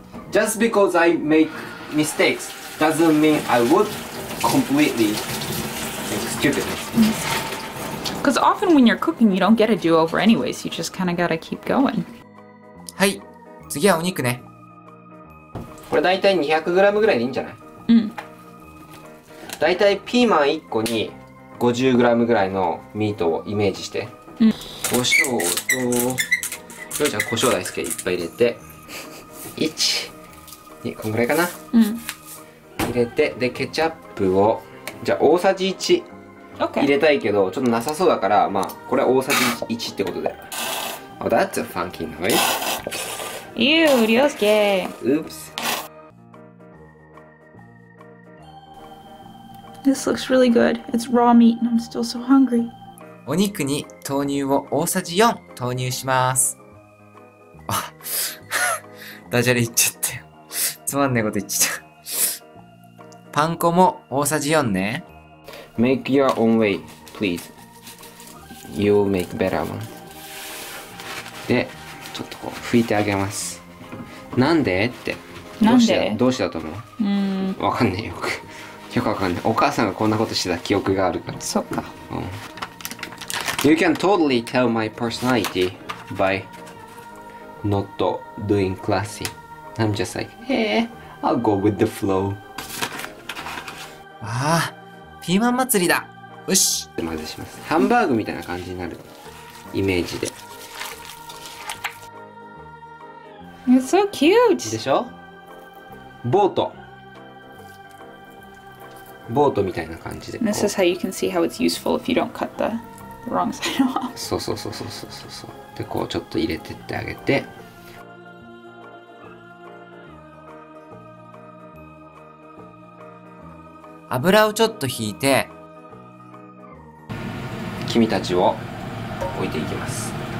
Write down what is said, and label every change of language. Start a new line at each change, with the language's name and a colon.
English: Just because I make mistakes doesn't mean I would completely make stupid mistakes. Because often when you're cooking, you don't get a do-over anyways. You just kind of gotta keep going.
Japanese: はい、次はお肉ね。これ大体 200g ぐらいでいいんじゃない? うん。大体ピーマン1個に 50g ぐらいのミートをイメージして。うん。胡椒と、じゃあ胡椒大好きいっぱい入れて。1。 こんぐらいかな、うん、入れて、で、ケチャップをじゃあ大さじ1、
English: okay.
Japanese: 入れたいけど、ちょっとなさそうだから、まあこれは大さじ1ってことで
English: Oh, that's a funky noise Ew, リョウスケ Oops This looks really good. It's raw meat and I'm still so hungry
Japanese: お肉に豆乳を大さじ4投入しますあ、ダジャレ言っちゃったよつまんねえこと言っちゃったパン粉も大さじ4ね
English: Make your own way, please You'll make better one
Japanese: で、ちょっとこう拭いてあげますなんでってなんでどうしたと思ううんわかんねえよくよくわかんねえお母さんがこんなことしてた記憶があるからそっか、
English: うん、You can totally tell my personality by not doing classyI'm just like, hey, I'll go with the flow.
Japanese: Ah, ピーマン祭りだ。よし。混ぜします。ハンバーグみたいな感じになるイメージで。
English: It's so cute.
Japanese: でしょ?ボート。ボートみたいな感じで。
English: This is how you can see how it's useful if you don't cut the wrong side off.
Japanese: そうそうそうそうそうそうそう。で、こうちょっと入れてってあげて。油をちょっと引いて君たちを置いていきます